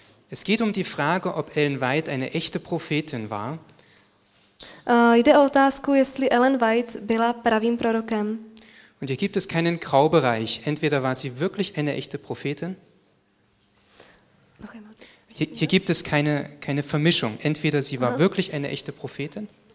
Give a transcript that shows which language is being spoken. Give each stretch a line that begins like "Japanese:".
German: Es geht um die Frage, ob Ellen White eine echte Prophetin war.
Czech: Jde o otázku, jestli Ellen White byla pravým prorokem.
German: Und hier gibt es keinen Graubereich. Entweder war sie wirklich eine echte Prophetin. Hier gibt es keine Vermischung. Entweder sie war wirklich eine echte Prophetin.